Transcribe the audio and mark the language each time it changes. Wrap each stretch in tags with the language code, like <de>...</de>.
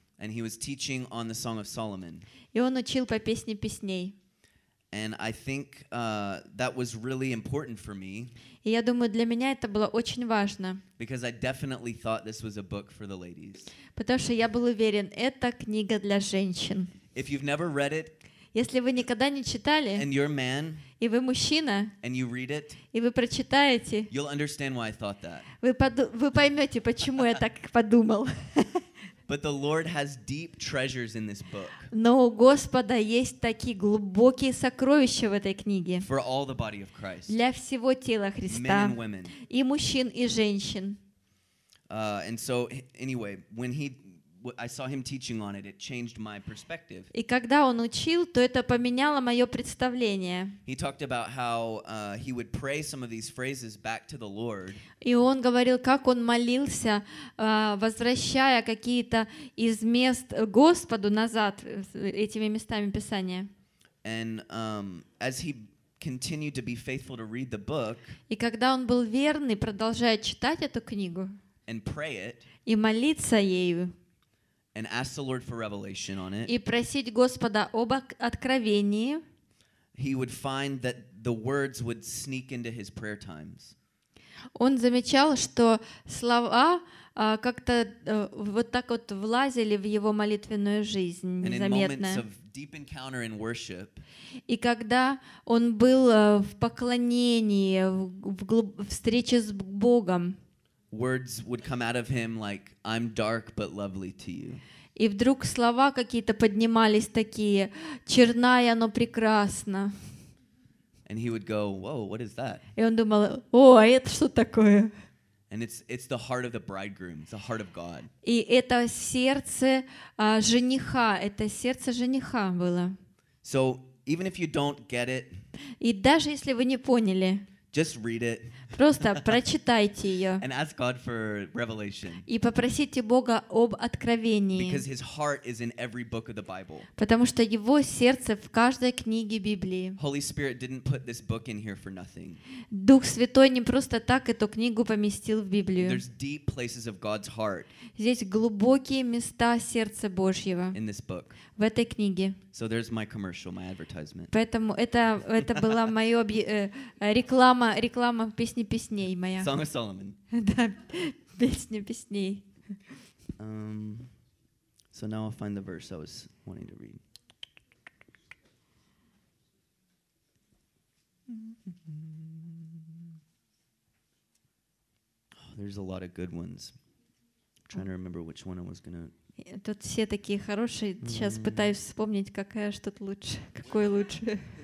<en>And he was teaching on the Song of Solomon.</en> <ru>И он учил по песне песней.</ru> <en>And I think that was really important for me.</en> <ru>И я думаю, для меня это было очень важно.</ru> <en>Because I definitely thought this was a book for the ladies.</en> <ru>Потому что я был уверен, это книга для женщин.</ru> <en>If you've never read it,</en> <ru>если вы никогда не читали,</ru> <en>and you're a man,</en> <ru>и вы мужчина,</ru> <en>and you read it,</en> <ru>и вы прочитаете,</ru> <en>you'll understand why I thought that.</en> <ru>Вы поймете, почему я так подумал.</ru> <en>But the Lord has deep treasures in this book.</en> <ru>Но у Господа есть такие глубокие сокровища в этой книге.</ru> <en>For all the body of Christ.</en> <ru>Для всего тела Христа.</ru> <en>Men and women.</en> <ru>И мужчин и женщин.</ru> <en>And so anyway, when he I saw him teaching on it, it changed my perspective.</en> <ru>И когда он учил, то это поменяло моё представление.</ru> <en>He talked about how he would pray some of these phrases back to the Lord.</en> <ru>И он говорил, как он молился, возвращая какие-то из мест Господу назад этими местами Писания.</ru> <en>And as he continued to be faithful to read the book.</en> <ru>И когда он был верный, продолжая читать эту книгу.</ru> <en>And pray it.</en> <ru>И молиться ею.</ru> <en>And ask the Lord for revelation on it.</en> <ru>И просить Господа об откровении.</ru> <en>He would find that the words would sneak into his prayer times.</en> <ru>Он замечал, что слова как-то вот так вот влазили в его молитвенную жизнь незаметно.</ru> <en>And in moments of deep encounter in worship.</en> <ru>И когда он был в поклонении, встрече с Богом.</ru> <en>Words would come out of him like, "I'm dark but lovely to you."</en> <ru>И вдруг слова какие-то поднимались такие, черная, но прекрасна.</ru> <en>And he would go, "Whoa, what is that?"</en> <ru>И он думал, о, а это что такое?</ru> <en>And it's the heart of the bridegroom, it's the heart of God.</en> <ru>И это сердце жениха, это сердце жениха было.</ru> <en>So even if you don't get it,</en> <ru>и даже если вы не поняли.</ru> <en>Just read it.</en> <ru>Просто прочитайте ее.</ru> <en>And ask God for revelation.</en> <ru>И попросите Бога об откровении.</ru> <en>Because his heart is in every book of the Bible.</en> <ru>Потому что его сердце в каждой книге Библии.</ru> <en>Holy Spirit didn't put this book in here for nothing.</en> <ru>Дух Святой не просто так эту книгу поместил в Библию.</ru> <en>There's deep places of God's heart.</en> <ru>Здесь глубокие места сердца Божьего.</ru> <en>In this book.</en> <ru>В этой книге.</ru> <en>So there's my commercial, my advertisement.</en> <ru>Поэтому это была моя реклама песни песней моя.</ru> <en>Song of Solomon.</en> <ru>Да, песня песней.</ru> <en>So now I'll find the verse I was wanting to read. Oh, there's a lot of good ones. I'm trying to remember which one I was gonna.</en> <ru>Тут все такие хорошие. Сейчас пытаюсь вспомнить, какая что-то лучше, какой лучше.</ru>